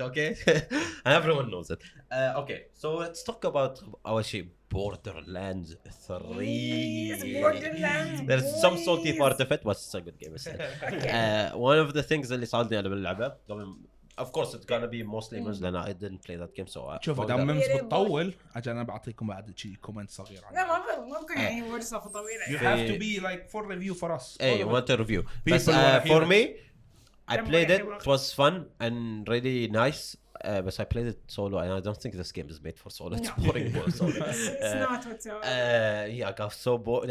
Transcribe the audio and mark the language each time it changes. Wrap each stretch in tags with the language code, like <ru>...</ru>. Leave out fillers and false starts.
<en>Okay, and everyone knows it. Okay, so let's talk about our shit. Borderlands 3. Borderlands, There's please. Some salty part of it, but it's a good game. Okay. One of the things that is on the game. Of course, it's gonna be mostly Muslims. Then I didn't play that game, so.</en> <ar>شوف دام ممز بتطول. أجل أنا بعطيكم بعد شيء كومنت صغير. لا ممكن يعني ورصة طويلة.</ar> <en>You have to be like for review for us. Hey, want a review? But for me, I played it. It was fun and really nice. But I played it solo, and I don't think this game is made for solo. It's boring for solo. It's not whatsoever. Yeah, I got so bored.</en>